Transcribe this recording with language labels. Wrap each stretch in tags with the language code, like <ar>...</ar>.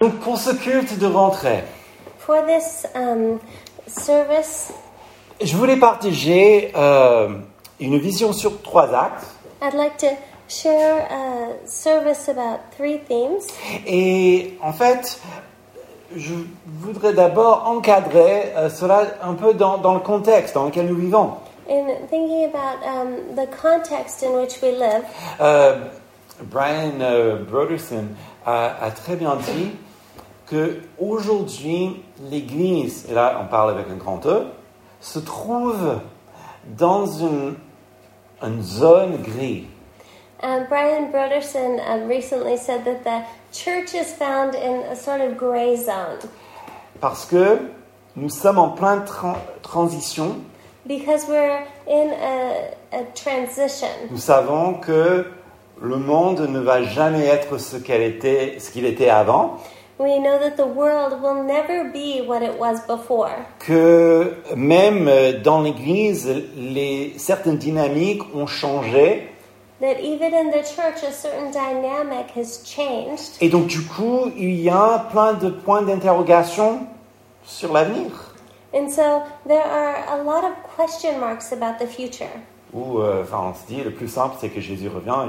<fr>Donc pour ce culte de rentrée,</fr> <en>for this, service,</en> <fr>je voulais partager une vision sur trois axes.</fr> <en>I'd like to share a service about three themes.</en> <fr>Et en fait, je voudrais d'abord encadrer cela un peu dans le contexte dans lequel nous vivons.</fr> <en>In thinking about the context in which we live,</en> <fr>Brian Broderson a très bien dit qu'aujourd'hui, l'Église, et là on parle avec un grand E, se trouve dans une zone grise.</fr> <en>Brian Broderson recently said that the church is found in a sort of gray zone.</en> <fr>Parce que nous sommes en plein transition.</fr> <en>Because we're in a transition.</en> <fr>Nous savons que le monde ne va jamais être ce qu'il était avant.</fr> <en>We know that the world will never be what it was before.</en> <fr>Que même dans l'Église, certaines dynamiques ont changé.</fr> <en>That even in the church, a certain dynamic has changed.</en> <fr>Et donc du coup, il y a plein de points d'interrogation sur l'avenir.</fr> <en>And so there are a lot of question marks about the future.</en> <fr>Ou enfin, on se dit le plus simple, c'est que Jésus revient.</fr>